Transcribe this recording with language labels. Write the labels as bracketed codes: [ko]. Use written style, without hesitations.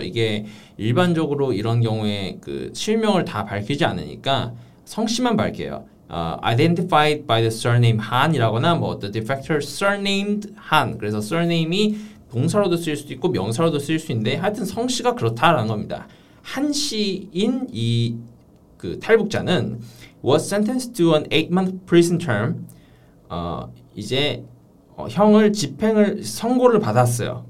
[ko] 이게 일반적으로 이런 경우에 그 실명을 다 밝히지 않으니까 성씨만 밝혀요. [en] Identified by the surname Han [ko] 이라거나 뭐 [en] the defector surnamed Han. [ko] 그래서 surname이 동사로도 쓰일 수도 있고 명사로도 쓰일 수 있는데 하여튼 성씨가 그렇다라는 겁니다. 한 씨인 이 그 탈북자는 [en] was sentenced to an 8-month prison term. [ko] 이제 형을 집행을 선고를 받았어요.